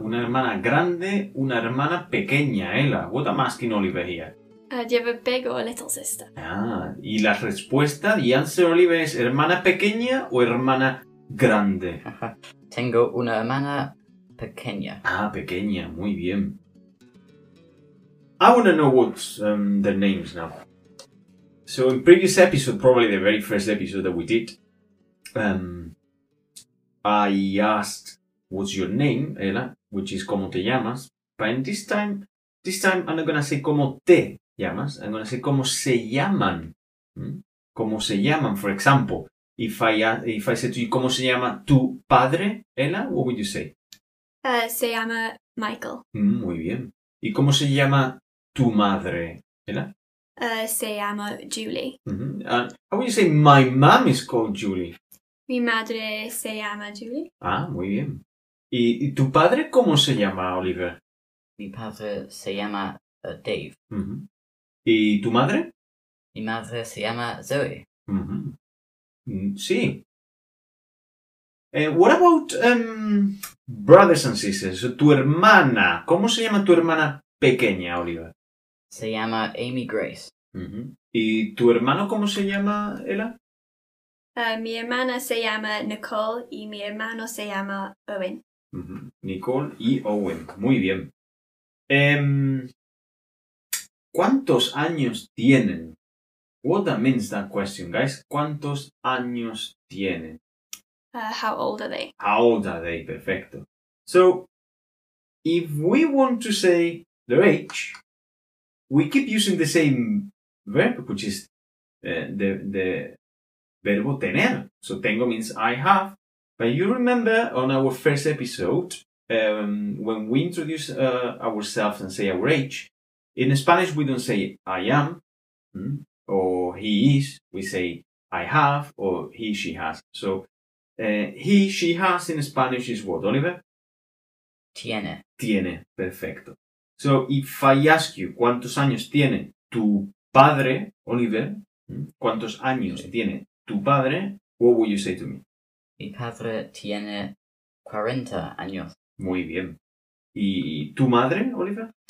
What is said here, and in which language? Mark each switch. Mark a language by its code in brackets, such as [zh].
[es] Una hermana grande, una hermana pequeña, Ela. [en] What am I asking Oliver here? Do you have a big or a little sister? [es] Ah, y la respuesta, [en] the answer, [es] Oliver, es hermana pequeña o hermana grande. Tengo una hermana pequeña. Ah, pequeña, muy bien. [en] I want to know what their names now. So, in previous episode, probably the very first episode that we did, I asked, what's your name, Ela? Which is, [es] ¿cómo te llamas? [en] But this time I'm not going to say, ¿cómo te llamas? I'm going to say, [es] ¿cómo se llaman? ¿Cómo se llaman? [en] For example, if I said to you, [es] ¿cómo se llama tu padre, Ela? [en] What would you say? [es] Se llama Michael. Muy bien. ¿Y cómo se llama tu madre, Ela? Se llama Julie. [en] How would you say, my mom is called Julie? [es] Mi madre se llama Julie. Ah, muy bien. ¿Y tu padre cómo se llama, Oliver? Mi padre se llama Dave. Uh-huh. ¿Y tu madre? Mi madre se llama Zoe. Uh-huh. Sí. [en] What about brothers and sisters? [es] Tu hermana. ¿Cómo se llama tu hermana pequeña, Oliver? Se llama Amy Grace. Uh-huh. ¿Y tu hermano cómo se llama, Ella? Mi hermana se llama Nicole y mi hermano se llama Owen. Uh-huh. Nicole y Owen. Muy bien. ¿Cuántos años tienen? [en] What that means, that question, guys. [es] ¿Cuántos años tienen? [en] How old are they? How old are they? Perfecto. So, if we want to say their age, we keep using the same verb, which is the verbo tener. So, tengo means I have. But you remember on our first episode, when we introduce ourselves and say our age, in Spanish we don't say I am or he is. We say I have or he, she has. So, he, she has in Spanish is what, Oliver? [es] Tiene. Tiene. Perfecto. [en] So, if I ask you, [es] ¿cuántos años tiene tu padre, Oliver? ¿Cuántos años tiene tu padre? [en] What would you say to me? [es] Mi padre tiene 40 años. Muy bien. ¿Y tu madre, Oliver?